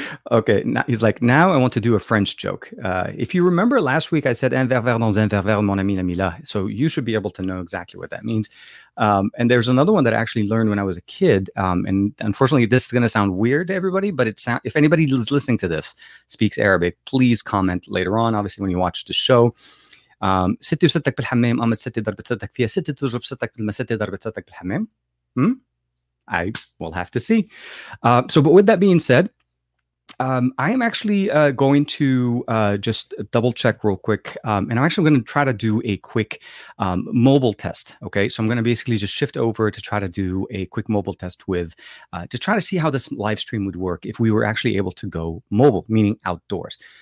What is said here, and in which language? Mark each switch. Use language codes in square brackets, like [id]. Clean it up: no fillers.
[en] Okay, now, he's like, now I want to do a French joke. If you remember last week, I said [fr] un verre dans un verre verre, mon ami, ami là. [en] So you should be able to know exactly what that means. And there's another one that I actually learned when I was a kid. And unfortunately, this is going to sound weird to everybody, but if anybody is listening to this, speaks Arabic, please comment later on, obviously, when you watch the show. [ar] ستي وستك بالحمام أما ستي ضربت ستك فيها ستي تضرب ستك لما ستي ضربت ستك بالحمام. [en] I will have to see. But with that being said, I am actually going to just double check real quick. And I'm actually going to try to do a quick mobile test. Okay. So I'm going to basically just shift over to try to do a quick mobile test with to try to see how this live stream would work if we were actually able to go mobile, meaning outdoors.